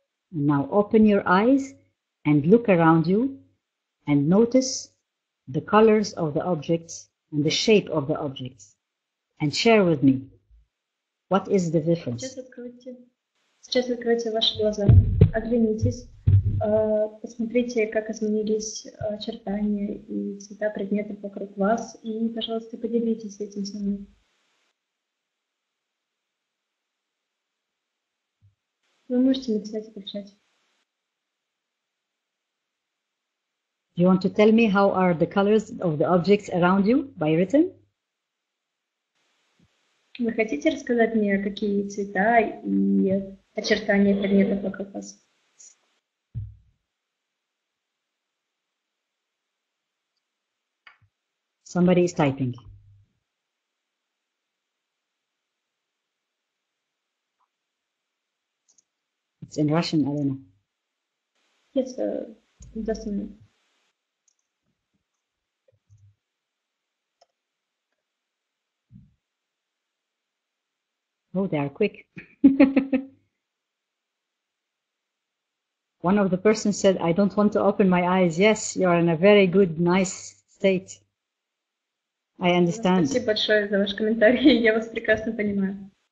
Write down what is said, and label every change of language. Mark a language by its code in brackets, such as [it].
[en] Now open your eyes and look around you and notice the colors of the objects and the shape of the objects and share with me what is the difference. [ru] Сейчас откройте ваши глаза, оглянитесь, посмотрите, как изменились очертания и цвета предметов вокруг вас и, пожалуйста, поделитесь этим со мной. Вы можете написать это в чате. [en] Do you want to tell me how are the colors of the objects around you by written? [ru] Вы хотите рассказать мне, какие цвета и очертания предметов вокруг вас? [en] Somebody is typing. It's in Russian, I don't know. Yes, just a minute. Oh, they are quick. One of the persons said, I don't want to open my eyes. Yes, you are in a very good, nice state. I understand. [ru] Спасибо большое за ваш комментарий. Я вас прекрасно понимаю.